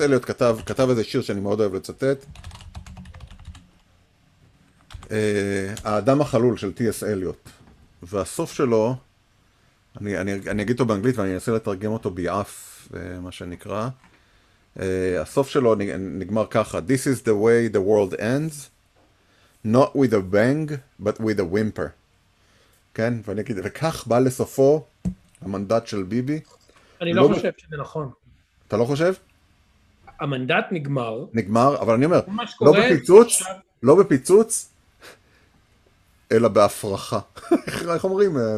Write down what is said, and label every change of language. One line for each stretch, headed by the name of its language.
Hebrew: אליוט כתב איזה שיר שאני מאוד אוהב לצטט. האדם החלול של טי.אס. אליוט. והסוף שלו, אני אגיד אותו באנגלית ואני אנסה לתרגם אותו ביעף, מה שנקרא. הסוף שלו נגמר ככה.
English: This is the way the world ends. Not with a bang, but with a whimper.
Hebrew: כן, ואני אגיד, וכך בא לסופו המנדט של ביבי. אני לא חושב שזה נכון. אתה לא חושב? המנדט נגמר. נגמר, אבל אני אומר, לא בפיצוץ, לא בפיצוץ, אלא בהפרחה. איך אומרים?